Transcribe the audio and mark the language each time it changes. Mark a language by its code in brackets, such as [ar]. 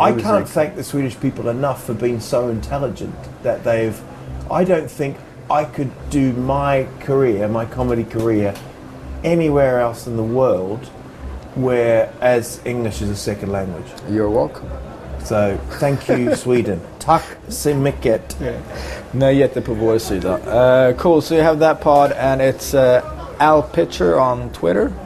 [en] I can't thank the Swedish people enough for being so intelligent that they've. I don't think I could do my comedy career, anywhere else in the world, where as English is a second language. You're welcome. So thank you, Sweden. [sv] Tack så mycket. Nej, jättebra på vår sida. [en] Cool. So you have that pod, and it's Al Pitcher on Twitter.